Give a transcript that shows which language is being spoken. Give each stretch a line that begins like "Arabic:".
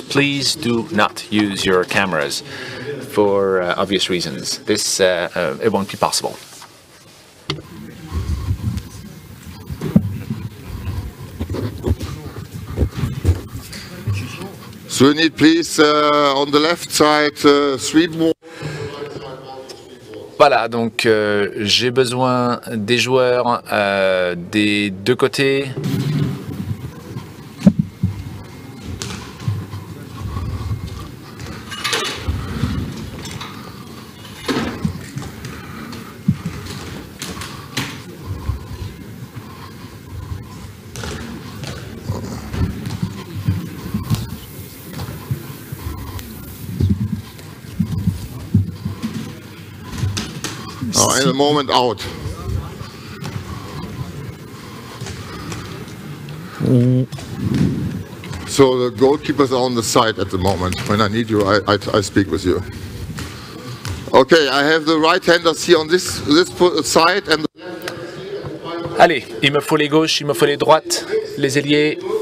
English: Please do not use your cameras for obvious reasons. This it won't be possible. So we need, please, on the left side, three more.
French: Voilà, donc j'ai besoin des joueurs des deux côtés.
English: In a moment out. So the goalkeepers are on the side at the moment. When I need you, I speak with you. Okay, I have the right handers here on this side and the...
French: Allez, il me faut les gauches, il me faut les droites, les ailiers.